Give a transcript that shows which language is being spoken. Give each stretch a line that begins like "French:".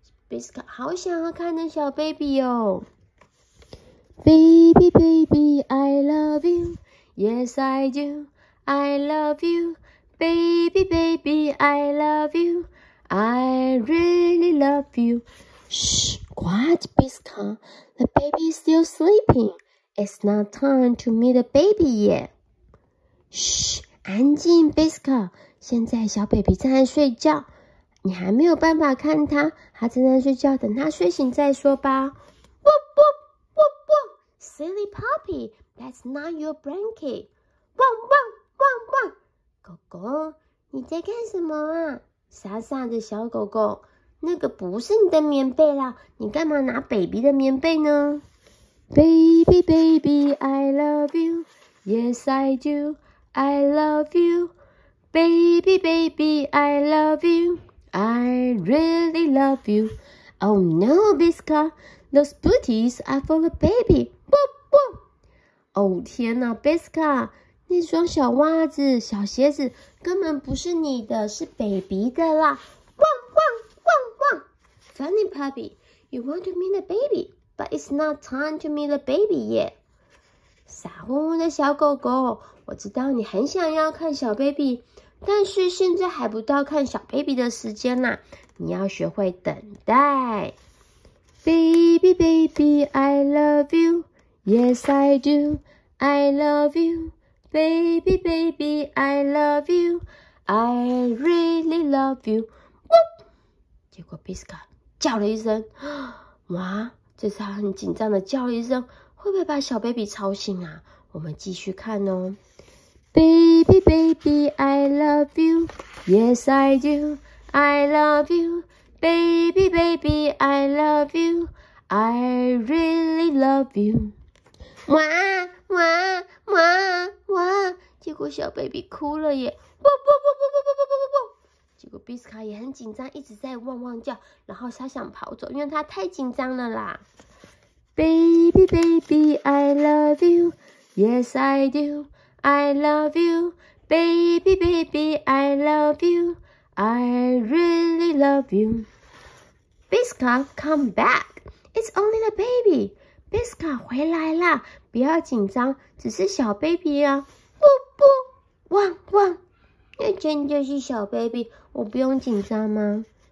English: Biscom
Chinese: 好想要看那小 baby 哦
English: ，Baby baby I love you， yes I do， I love you， baby baby I love you。 I really love you. Shh, quiet, Biscom. The baby is still sleeping. It's not time to meet the baby yet.
Chinese: Shh, 安静 ，Biscom. 现在小 baby 正在睡觉，你还没有办法看他。他正在睡觉，等他睡醒再说吧。 Boop boop boop boop.
English: Silly puppy, that's not your blanket.
Chinese: Boop boop boop boop. 狗狗，你在干什么啊？傻傻的小狗狗，那个不是你的棉被啦，你干嘛拿 baby 的棉被呢 ？
English: Baby, baby, I love you. Yes, I do. I love you. Baby, baby, I love you. I really love you. Oh no, Biscom, those booties are for the baby.
Chinese: Boop boop. 哦天哪 ，Biscom。那双小袜子、小鞋子根本不是你的，是 baby 的啦！
English: 汪汪汪汪 ！Funny puppy, you want to meet the baby, but it's not time to meet the baby yet.
Chinese: 傻乎乎的小狗狗，我知道你很想要看小 baby，但是现在还不到看小 baby 的时间啦，你要学会等待。
English: Baby, baby, I love you. Yes, I do. I love you. Baby, baby, I love you. I really love you.
Chinese: 结果 Biska 叫了一声，哇，这次他很紧张的叫了一声，会不会把小 baby 吵醒啊？我们继续看哦。
English: Baby, baby, I love you. Yes, I do. I love you. Baby, baby, I love you. I really love you. 哇哇哇哇！
Chinese: 结果小 baby 哭了耶！不不不不不不不不不不！结果 Biska 也很紧张，一直在汪汪叫，然后他想跑走，因为他太紧张了啦。
English: Baby, baby, I love you. Yes, I do. I love you, baby, baby, I love you, I really love you. Biska, come back. It's only the baby.
Chinese: Biska, 回来啦，不要紧张，只是小 baby 啊。不不，汪汪，那真的是小 baby, 我不用紧张吗？